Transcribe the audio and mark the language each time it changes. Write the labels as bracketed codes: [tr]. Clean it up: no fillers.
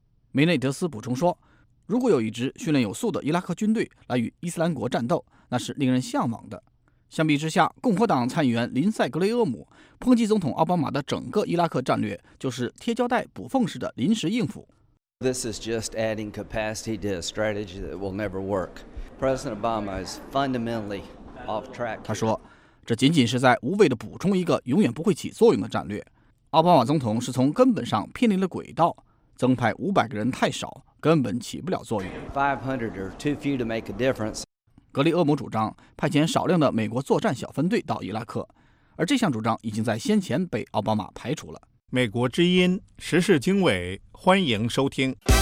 [zh] 梅内德斯补充说，如果有一支训练有素的伊拉克军队来与伊斯兰国战斗，那是令人向往的。相比之下，共和党参议员林塞·格雷厄姆抨击总统奥巴马的整个伊拉克战略就是贴胶带补缝式的临时应付。 [en] This is just adding capacity to a strategy that will never work. President Obama is fundamentally off track. [zh] 他说，这仅仅是在无谓地补充一个永远不会起作用的战略。奥巴马总统是从根本上偏离了轨道，增派500个人太少，根本起不了作用。 [en] 500 are too few to make a difference. [zh] 格雷厄姆主张派遣少量的美国作战小分队到伊拉克，而这项主张已经在先前被奥巴马排除了。美国之音时事经纬，欢迎收听。